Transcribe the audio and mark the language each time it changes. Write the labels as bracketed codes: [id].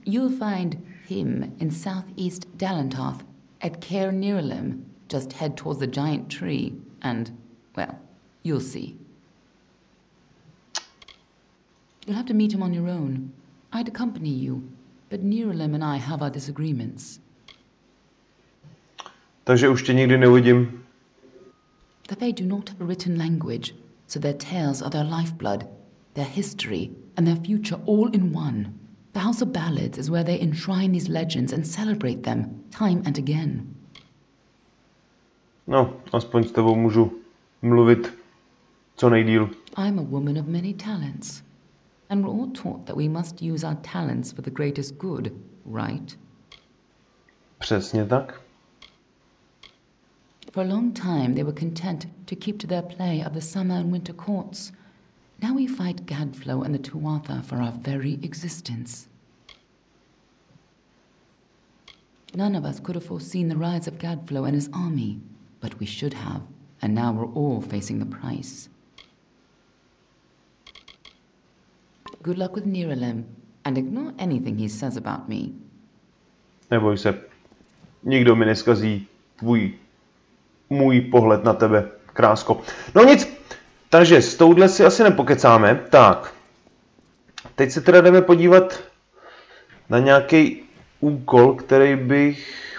[en] You'll find him in southeast Dalentarth, at Caer Nirlim. Just head towards the giant tree, and, well, you'll see. You'll have to meet him on your own. I'd accompany you, but Nirlim and I have our disagreements. [cs] Takže už tě nikdy neuvidím. [en] The Fae do not have a written language, so their tales are their lifeblood, their history, and their future all in one. The House of Ballads is where they enshrine these legends and celebrate them time and again. [cs] No, aspoň s tebou můžu mluvit co nejdýl. [en] I'm a woman of many talents, and we're all taught that we must use our talents for the greatest good, right? [cs] Přesně tak. [en] For a long time, they were content to keep to their play of the summer and winter courts. Now we fight Gadflo and the Tuatha for our very existence. None of us could have foreseen the rise of Gadflo and his army, but we should have, and now we're all facing the price. Good luck with Nirlim, and ignore anything he says about me. [cs] Neboj se, nikdo mi neskazí tvůj. Můj pohled na tebe, krásko. No nic, takže s touhle si asi nepokecáme. Tak, teď se teda jdeme podívat na nějaký úkol, který bych...